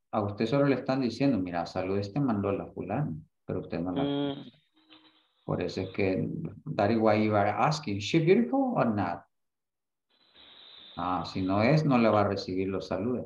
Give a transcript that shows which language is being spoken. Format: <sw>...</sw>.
<es>A usted solo le están diciendo, mira, salud, este mandó la fulana. Pero usted no la... Por eso es que,</es> <en>that is why you are asking, is she beautiful or not?</en> <es>Ah, si no es, no le va a recibir los saludos.</es>